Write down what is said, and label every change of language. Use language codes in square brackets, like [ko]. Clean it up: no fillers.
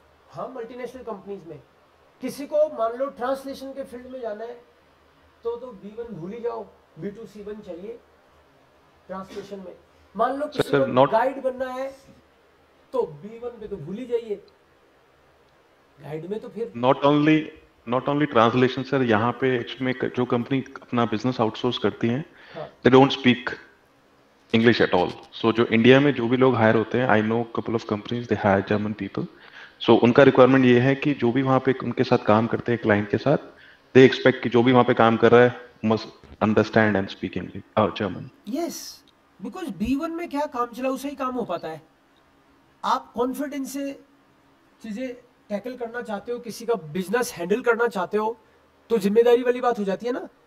[hi] हाँ, multinational companies में। किसी को मान लो ट्रांसलेशन के फील्ड में जाना है तो B1 भूल ही जाओ, B2 C1 चाहिए ट्रांसलेशन में। मान लो किसी को गाइड बनना है तो B1 पे तो भूल ही जाइए, गाइड में तो फिर [en] Not only translation sir, [hi] यहाँ पे [en] actually [hi] जो company अपना business outsource करती हैं, [en] they don't speak English at all. So [hi] जो India में जो भी लोग hire होते हैं, [en] I know couple of companies they hire German people. [hi] So उनका requirement ये है कि जो भी वहाँ पे उनके साथ काम करते हैं client के साथ, they expect कि जो भी वहाँ पे काम कर रहा है [en] must understand and speak English or German. [hi] Yes, because B1 में क्या काम चला उसे ही काम हो पाता है। आप confidence से चीजें टैकल करना चाहते हो, किसी का बिजनेस हैंडल करना चाहते हो, तो जिम्मेदारी वाली बात हो जाती है ना।